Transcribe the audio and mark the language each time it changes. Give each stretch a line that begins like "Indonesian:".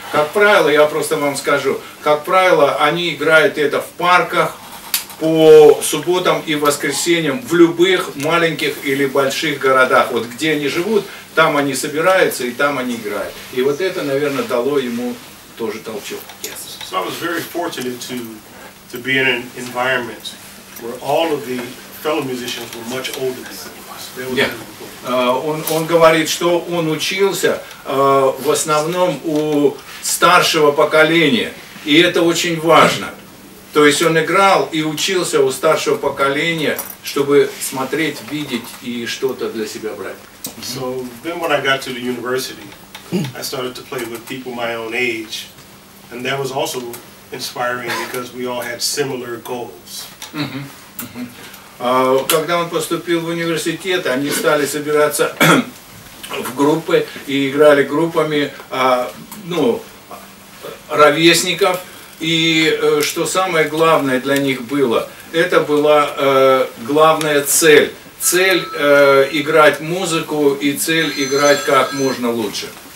Russian: Как правило, я просто вам скажу, как правило, они играют это в парках по субботам и воскресеньям в любых маленьких или больших городах. Вот где они живут, там они собираются и там они играют. И вот это, наверное, дало ему тоже толчок.
English: Yes. So I was very fortunate to be in an environment where all of the fellow musicians were much older than me.
Russian: Он говорит, что он учился в основном у старшего поколения, и это очень важно. То есть он играл и учился у старшего поколения, чтобы смотреть, видеть и что-то для себя брать.
English: So then when I got to the university, I started to play with people my own age, and that was also inspiring because we all had similar goals.
Russian: Когда он поступил в университет, они стали собираться в группы и играли группами, ну, ровесников. И что самое главное для них было, это была главная цель. Цель играть музыку и цель играть как можно лучше.